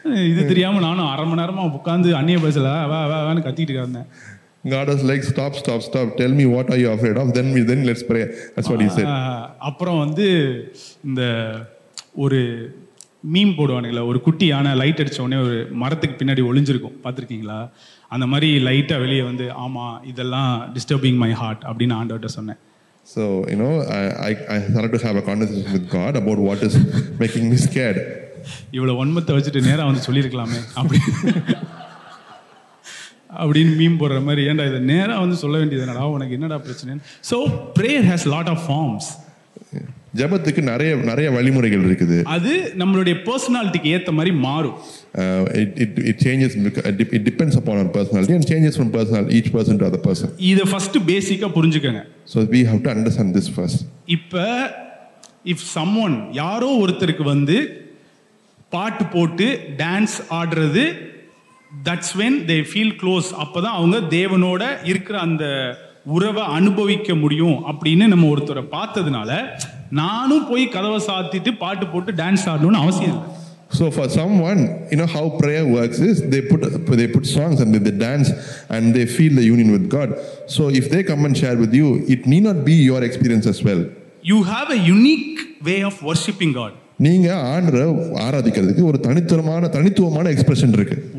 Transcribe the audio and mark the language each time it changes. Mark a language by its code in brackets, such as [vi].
[ta] இது தெரியாமல் நானும் அரை மணி நேரமாக உட்காந்து அன்னிய பஸ்ஸில் வேன்னு கத்திட்டு இருந்தேன். [en] God is like, stop, tell me what are you afraid of, then let's pray. That's what he said. [ta] அப்புறம் வந்து இந்த ஒரு மீம் போடுவானுங்களா, ஒரு குட்டி யானை லைட் அடித்த உடனே ஒரு மரத்துக்கு பின்னாடி ஒளிஞ்சிருக்கும், பார்த்துருக்கீங்களா? அந்த மாதிரி லைட்டாக வெளியே வந்து, ஆமாம் இதெல்லாம் [en] disturbing my heart [ta] அப்படின்னு ஆண்டவர்கிட்ட சொன்னேன். [en] So you know I start to have a conversation with God about what is making me scared. [ta] இவ்வளோ ஒன்மத்தை வச்சுட்டு நேராக வந்து சொல்லியிருக்கலாமே அப்படின்னு மீம் போடுற மாதிரி, ஏன்டா இதை நேராக வந்து சொல்ல வேண்டியதுனால உனக்கு என்னடா பிரச்சனைன்னு. [en] So prayer has lot of forms. [ta] ஜபத்துக்கு நிறைய வழிமுறைகள் இருக்குது. அது நம்மளுடைய பர்சனாலிட்டிக்கு ஏத்த மாதிரி மாறும். [en] It changes, it depends upon our personality and changes from personal, each person to other person. [ta] இத ஃபர்ஸ்ட் பேசிக்கா புரிஞ்சுக்கங்க. [en] So we have to understand this first. [ta] இப்ப [en] if someone, [ta] யாரோ ஒருத்தருக்கு வந்து பாட்டு போட்டு டான்ஸ் ஆடுறது, [en] that's when they feel close. [ta] அப்பதான் அவங்க தேவனோட இருக்கிற அந்த உறவை அனுபவிக்க முடியும் அப்படின்னு நம்ம ஒருத்தரை பார்த்ததுனால, நானும் போய் கதவை சாத்திட்டு பாட்டு போட்டு டான்ஸ் ஆடணும்னு அவசியம் இல்லை. [en] So for someone, you know how prayer works is, they put songs and they dance and they feel the union with God. So if they come and share with you, it need not be your experience as well. You have a unique way of worshiping God. [ta] நீங்க ஆண்டவரை ஆராதிக்கிறதுக்கு ஒரு தனித்துவமான expression இருக்கு.